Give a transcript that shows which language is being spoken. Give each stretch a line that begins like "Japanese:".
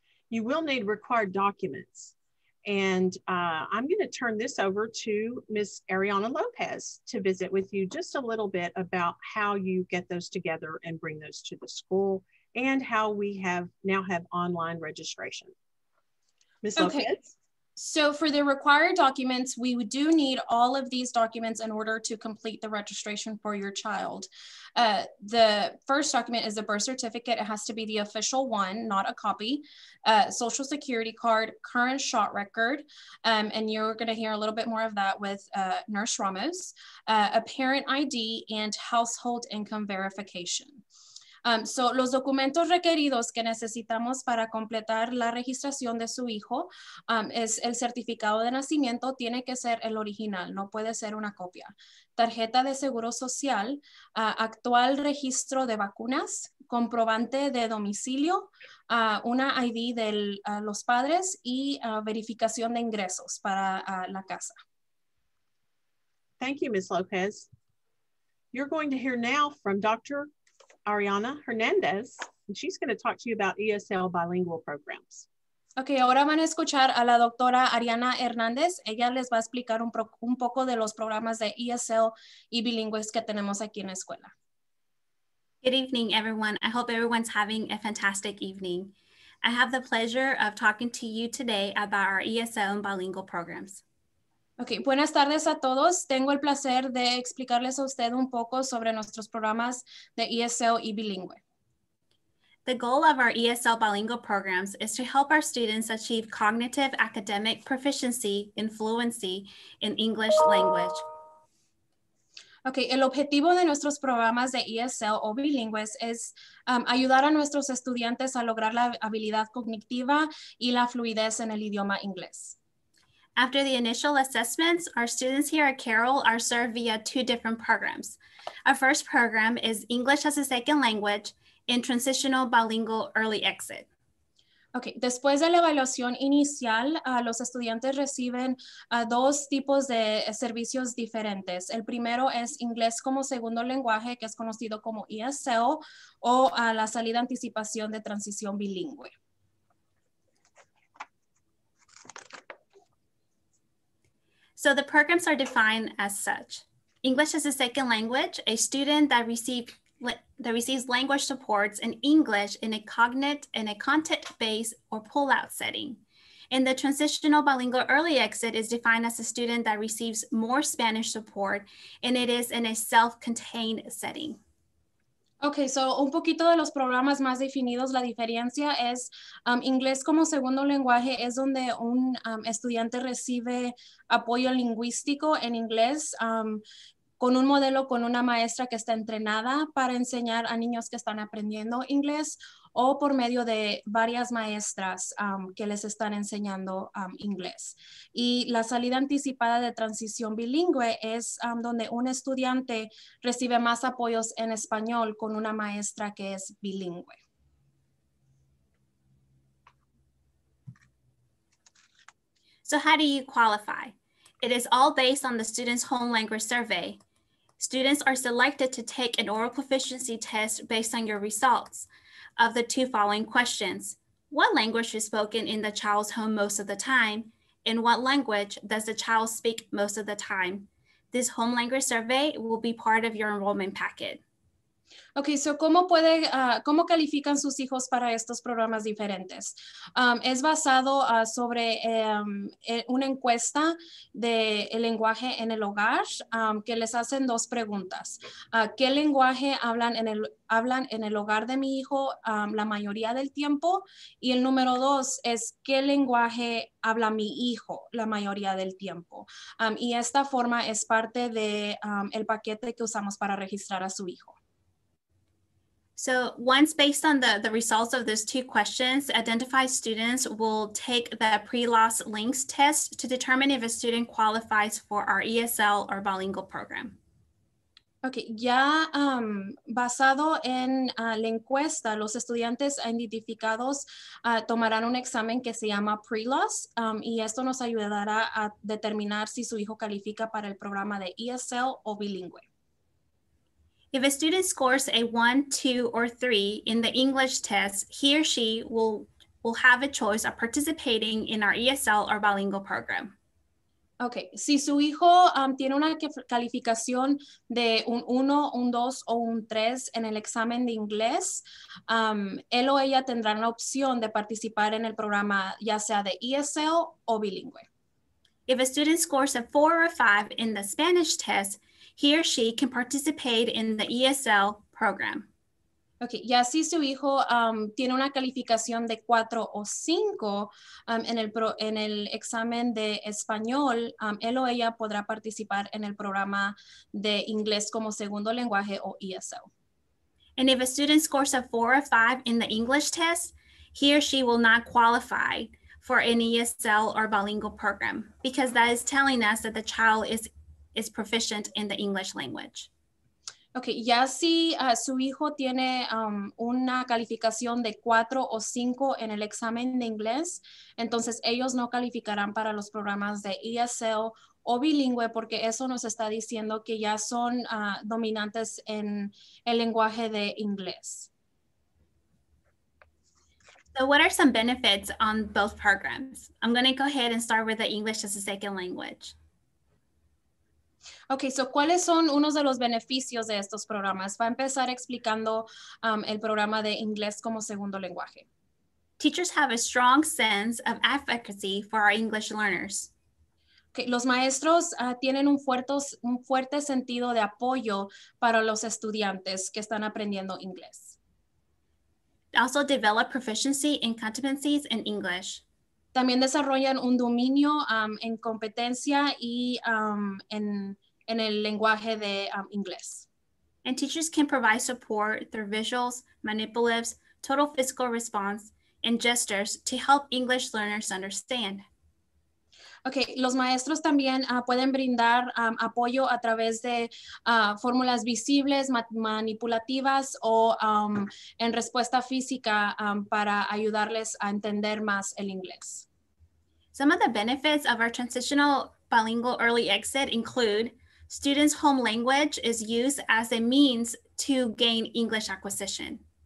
English: You will need required documents. And I'm gonna turn this over to Ms. Ariana Lopez to visit with you just a little bit about how you get those together and bring those to the school and how we have now have online registration. Ms. Okay. Lopez. So for the required documents, we do need all of these documents in order to complete the registration for your child. The first document is a birth certificate. It has to be the official one, not a copy. Social security card, current shot record, and you're going to hear a little bit more of that with Nurse Ramos. A parent ID and household income verification.
Spanish: So los documentos requeridos que necesitamos para completar la registración de su hijo es el certificado de nacimiento, tiene que ser el original, no puede ser una copia. Tarjeta de seguro social, actual registro de vacunas, comprobante de domicilio, una ID de los padres y verificación de ingresos para la casa.
English: Thank you, Ms. Lopez. You're going to hear now from Dr. Ariana Hernandez, and she's going to talk to you about ESL bilingual programs.
Spanish: Okay, ahora van a escuchar a la doctora Ariana Hernandez. Ella les va a explicar un poco de los programas de ESL y bilingües que tenemos aquí en la escuela.
English: Good evening, everyone. I hope everyone's having a fantastic evening. I have the pleasure of talking to you today about our ESL and bilingual programs.
Spanish: Okay, buenas tardes a todos. Tengo el placer de explicarles a usted un poco sobre nuestros programas de ESL y bilingüe.
English: The goal of our ESL bilingual programs is to help our students achieve cognitive academic proficiency and fluency in English language.
Spanish: Okay, el objetivo de nuestros programas de ESL o bilingües es ayudar a nuestros estudiantes a lograr la habilidad cognitiva y la fluidez en el idioma inglés.
English: After the initial assessments, our students here at Carroll are served via two different programs. Our first program is English as a Second Language in Transitional Bilingual Early Exit.
Spanish: Okay, después de la evaluación inicial, los estudiantes reciben dos tipos de servicios diferentes. El primero es inglés como segundo lenguaje, que es conocido como ESL, o la salida anticipación de transición bilingüe.
English: So the programs are defined as such. English as a Second Language, a student that receives language supports in English in a cognate in a content-based or pull-out setting. And the Transitional Bilingual Early Exit is defined as a student that receives more Spanish support and it is in a self-contained setting.
Spanish: Okay, so un poquito de los programas más definidos, la diferencia es inglés como segundo lenguaje es donde un estudiante recibe apoyo lingüístico en inglés con un modelo, con una maestra que está entrenada para enseñar a niños que están aprendiendo inglés o por medio de varias maestras que les están enseñando inglés. Y la salida anticipada de transición bilingüe es donde un estudiante recibe más apoyos en español con una maestra que es bilingüe.
English: So how do you qualify? It is all based on the student's home language survey. Students are selected to take an oral proficiency test based on your results. Of the two following questions, what language is spoken in the child's home most of the time? And what language does the child speak most of the time? This home language survey will be part of your enrollment packet.
Spanish: Okay, so ¿cómo puede, cómo califican sus hijos para estos programas diferentes? Es basado sobre una encuesta de el lenguaje en el hogar que les hacen dos preguntas. ¿Qué lenguaje hablan en el hogar de mi hijo la mayoría del tiempo? Y el número dos es ¿qué lenguaje habla mi hijo la mayoría del tiempo? Y esta forma es parte de el paquete que usamos para registrar a su hijo.
English: So once based on the results of those two questions, identified students will take the pre-loss links test to determine if a student qualifies for our ESL or bilingual program.
Spanish: Okay, ya basado en la encuesta, los estudiantes identificados tomarán un examen que se llama pre-loss y esto nos ayudará a determinar si su hijo califica para el programa de ESL o bilingüe.
English: If a student scores a 1, 2, or 3 in the English test, he or she will have a choice of participating in our ESL or bilingual program.
Spanish: Okay, si su hijo tiene una calificación de un 1, un 2 o un 3 en el examen de inglés, él o ella tendrán la opción de participar en el programa ya sea de ESL o bilingüe.
English: If a student scores a 4 or 5 in the Spanish test, he or she can participate in the ESL program.
Spanish: Okay, y así su hijo tiene una calificación de 4 o 5 en el examen de español, él o ella podrá participar en el programa de inglés como segundo lenguaje o ESL.
English: And if a student scores a 4 or 5 in the English test, he or she will not qualify for an ESL or bilingual program because that is telling us that the child is proficient in the English language.
Spanish: Okay, ya si su hijo tiene una calificación de 4 o 5 en el examen de inglés, entonces ellos no calificarán para los programas de ESL o bilingüe porque eso nos está diciendo que ya son dominantes en el lenguaje de inglés.
English: So what are some benefits on both programs? I'm going to go ahead and start with the English as a second language.
Spanish: Okay, so ¿cuáles son unos de los beneficios de estos programas? Va a empezar explicando el programa de inglés como segundo lenguaje.
English: Teachers have a strong sense of efficacy for our English learners.
Spanish: Okay, los maestros tienen un fuerte sentido de apoyo para los estudiantes que están aprendiendo inglés.
English: Also develop proficiency and competencies in English.
Spanish: También desarrollan un dominio en competencia y en el lenguaje de inglés.
English: And teachers can provide support through visuals, manipulatives, total physical response, and gestures to help English learners understand.
Spanish: Okay, los maestros también pueden brindar apoyo a través de fórmulas visibles, manipulativas o en respuesta física para ayudarles a entender más el inglés.
English: Some of the benefits of our transitional bilingual early exit include students' home language is used as a means to gain English acquisition.